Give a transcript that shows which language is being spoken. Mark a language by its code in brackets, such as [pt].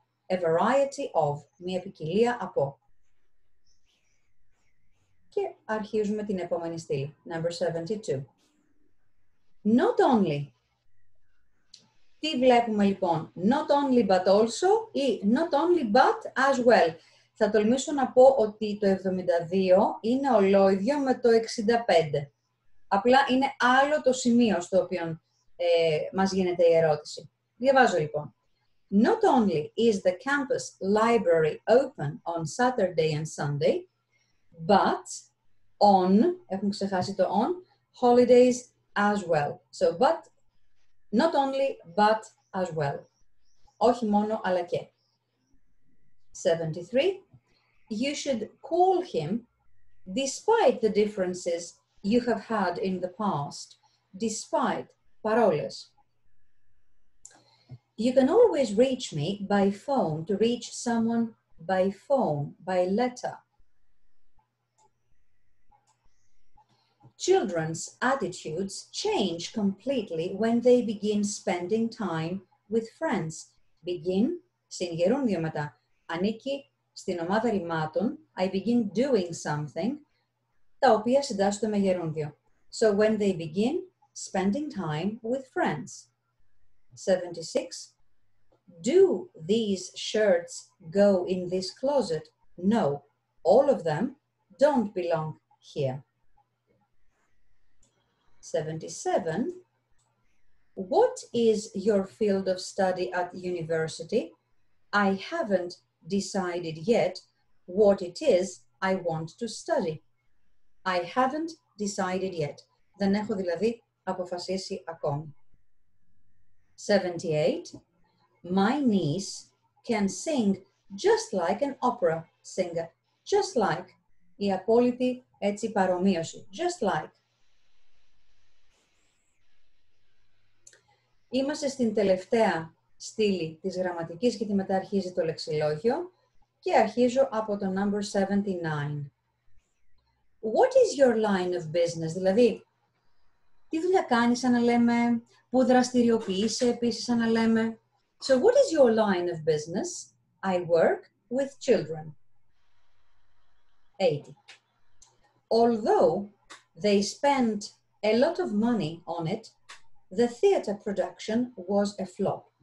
[en] A variety of, [el] μία ποικιλία από. Και αρχίζουμε την επόμενη στήλη, [en] number 72. Not only. [el] Τι βλέπουμε λοιπόν, [en] not only but also ή not only but as well. [el] Θα τολμήσω να πω ότι το 72 είναι ολόιδιο με το 65. Απλά είναι άλλο το σημείο στο οποίο μας γίνεται η ερώτηση. Διαβάζω λοιπόν. [en] Not only is the campus library open on Saturday and Sunday, but on, [el] έχουμε ξεχάσει το on, [en] holidays as well. So, but, not only, but as well. [el] Όχι μόνο, αλλά και. 73. [en] You should call him despite the differences you have had in the past. Despite paroles. You can always reach me by phone to reach someone by phone, by letter. Children's attitudes change completely when they begin spending time with friends. [el] Begin, συγκερούν βιώματα, ανήκει στην ομάδα ρημάτων, [en] I begin doing something, [el] τα οποία συντάσσονται με γερούνδιο. [en] So when they begin spending time with friends. 76. Do these shirts go in this closet? No, all of them don't belong here. 77. What is your field of study at university? I haven't decided yet what it is I want to study. I haven't decided yet. [el] Δεν έχω δηλαδή αποφασίσει ακόμη. [en] 78. My niece can sing just like an opera singer. Just like. [el] Η απόλυτη έτσι παρομοίωση. [en] Just like. [el] Είμαστε στην τελευταία στήλη της γραμματικής γιατί μετά αρχίζει το λεξιλόγιο και αρχίζω από το [en] number 79. What is your line of business? [el] Δηλαδή, τι δουλειά κάνεις σαν να λέμε, πού δραστηριοποιείσαι επίσης σαν να λέμε. [en] So what is your line of business? I work with children. 80. Although they spent a lot of money on it, the theater production was a flop.